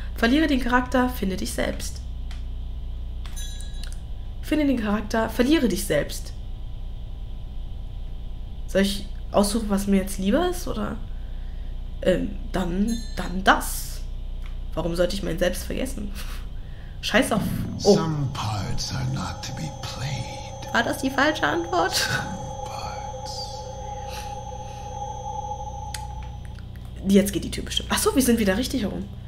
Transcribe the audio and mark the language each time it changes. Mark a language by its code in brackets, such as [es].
[de] Verliere den Charakter, finde dich selbst. Finde den Charakter, verliere dich selbst. Soll ich aussuchen, was mir jetzt lieber ist, oder? Dann das. Warum sollte ich mein Selbst vergessen? Scheiß auf. Oh. [en] Some parts are not to be played. [de] War das die falsche Antwort? [en] Some parts. [de] Jetzt geht die Tür bestimmt. Achso, wir sind wieder richtig herum.